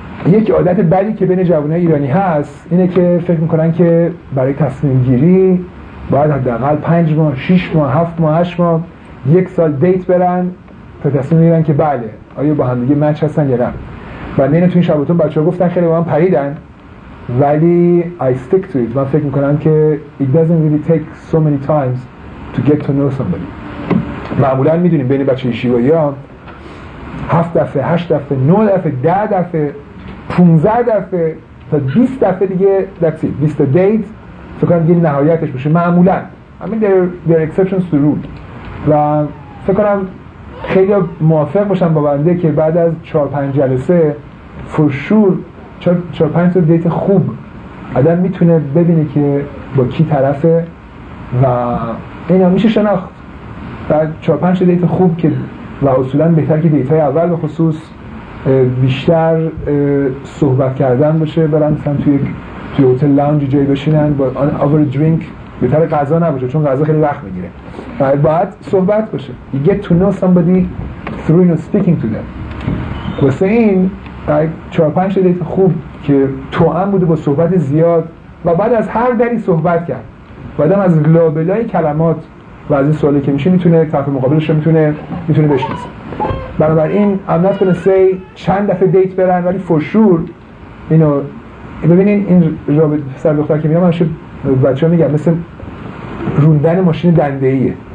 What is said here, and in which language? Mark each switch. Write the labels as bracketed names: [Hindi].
[Persian] یک عادت بدی که بین جوانای ایرانی هست اینه که فکر میکنن که برای تصمیم گیری باید حداقل 5 ماه، 6 ماه، 7 ماه، 8 ماه، 1 سال دیت برن تا تصمیم بگیرن که بله آیا با هم دیگه مچ هستن یا نه. بعد اینو تو این شبتون بچه‌ها گفتن خیلی با هم پریدن، ولی [English] I stick to it. [Persian] من فکر میکنم که [English] it doesn't really take so many times to get to know somebody. [Persian] معمولا میدونیم بین بچه‌های شیوایی ها 7 دفعه، 8 دفعه، 9 دفعه، 10 دفعه، 15 دفعه تا 20 دفعه دیگه [English] that's it. [Persian] 20 دیت فکر کنم دیگه نهایتش بشه معمولا. [English] I mean there are exceptions to rule. [Persian] و فکر کنم خیلی موافق باشم با بنده که بعد از 4-5 جلسه [English] for sure [Persian] 4-5 دیت خوب آدم میتونه ببینه که با کی طرفه و اینا میشه شناخت. بعد 4-5 دیت خوب که و اصولا بهتر که دیت های اول به خصوص بیشتر صحبت کردن باشه، برن مثلا توی هتل لانج جایی بشینن با اور درینک، بهتر غذا نباشه چون غذا خیلی وقت میگیره، باید صحبت باشه. [English] You get to know somebody through you know, speaking to them. [Persian] واسه این 4-5 دیت خوب که توأم بوده با صحبت زیاد و بعد از هر دری صحبت کرد و آدم از لابلای کلمات و از این سوالی که میشه میتونه طرف مقابلش رو میتونه بشناسه. بنابراین [English] I'm not gonna say [Persian] چند دفعه دیت برن، ولی [English] for sure [Persian] اینو ببینین این رابطه سر دختر که میگم من بچه ها میگم مثل روندن ماشین دنده ایه.